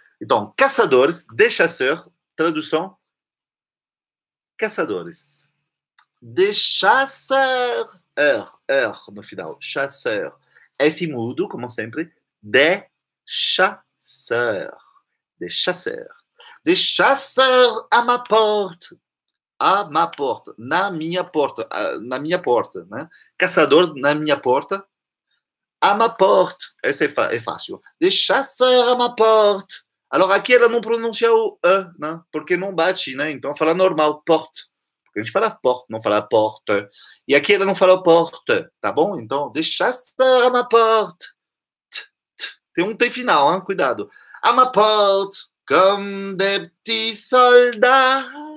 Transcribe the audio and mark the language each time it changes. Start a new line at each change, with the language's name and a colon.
Portuguese: Então, caçadores, des chasseurs, tradução, caçadores.
French: Des chasseurs, no final, chasseurs.
Portuguese: S mudo, como sempre,
French: des chasseurs, des chasseurs. Des chasseurs à ma porte,
Portuguese: na minha porta, na minha porta, né? Caçadores na minha porta.
French: À ma porte,
Portuguese: essa é fácil.
French: Des chasseurs à ma porte.
Portuguese: Alors, aqui ela não pronuncia o E, né? Porque não bate, né? Então fala normal, porte. Porque a gente fala porte, não fala porte. E aqui ela não fala porte, tá bom? Então,
French: des chasseurs à ma porte.
Portuguese: Tem um T final, hein? Cuidado.
French: À ma porte, comme des petits soldats.